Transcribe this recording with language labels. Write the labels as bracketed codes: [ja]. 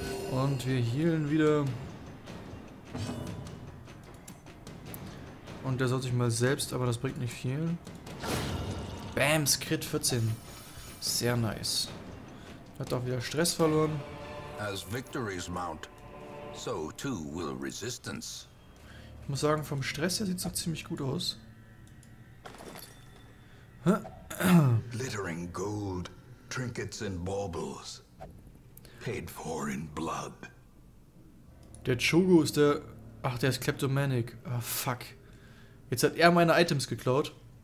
[de] Und wir healen wieder. Und der soll sich mal selbst, aber das bringt nicht viel. Bam, Crit 14. Sehr nice. Hat auch wieder Stress verloren. [en] As victories mount, so too will resistance. [de] Ich muss sagen, vom Stress her sieht es noch ziemlich gut aus. [en] Glittering gold, trinkets and baubles. Paid for in blood. [de] Der Chogo ist der. Ach, der ist kleptomanic. Ah, fuck. Jetzt hat er meine Items geklaut.